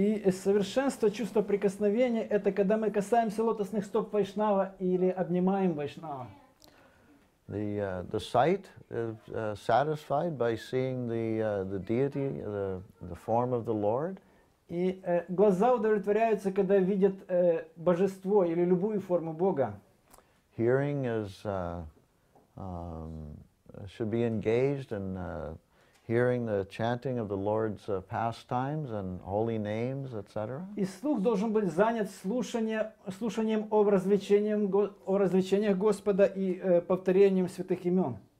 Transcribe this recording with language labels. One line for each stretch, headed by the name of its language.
Russian: И совершенство чувства прикосновения — это когда мы касаемся лотосных стоп Вайшнава или обнимаем Вайшнава.
English: The sight is satisfied by seeing the deity, the form of the Lord.
Russian: И глаза удовлетворяются, когда видят божество или любую форму Бога.
English: Hearing is should be engaged in hearing the chanting of the Lord's pastimes and holy names, etc.
Russian: И слух должен быть занят слушанием о развлечениях Господа и повторением святых имен.